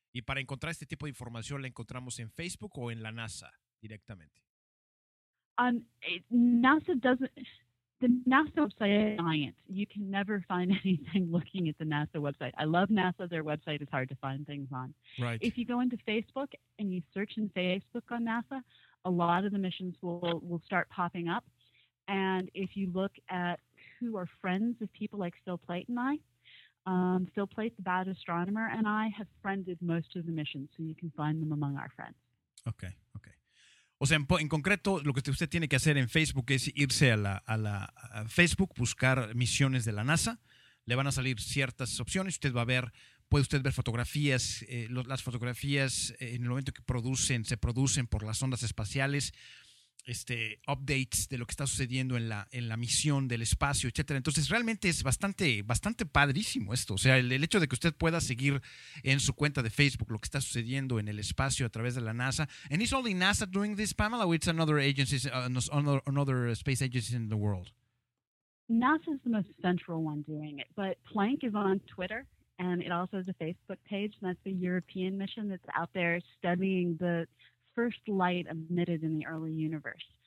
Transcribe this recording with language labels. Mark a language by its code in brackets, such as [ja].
[es] Y para encontrar este tipo de información, ¿la encontramos en Facebook o en la NASA directamente? [en] The NASA website is giant. You can never find anything looking at the NASA website. I love NASA. Their website is hard to find things on. Right. If you go into Facebook and you search in Facebook on NASA, a lot of the missions will start popping up. And if you look at who are friends of people like Phil Plait and I, Phil Plait, the bad astronomer, and I have friended most of the missions, so you can find them among our friends. Okay, okay. [es] O sea, en concreto, lo que usted tiene que hacer en Facebook es irse a Facebook, buscar misiones de la NASA. Le van a salir ciertas opciones. Usted va a ver, puede usted ver fotografías, las fotografías en el momento que se producen por las ondas espaciales, updates de lo que está sucediendo en la misión del espacio, etcétera. Entonces, realmente es bastante, bastante padrísimo esto. O sea, el hecho de que usted pueda seguir en su cuenta de Facebook lo que está sucediendo en el espacio a través de la NASA. [en] And is only NASA doing this, Pamela, or it's another agencies, another space agency in the world? NASA is the most central one doing it, but Planck is on Twitter, and it also has a Facebook page, and that's the European mission that's out there studying the first light emitted in the early universe.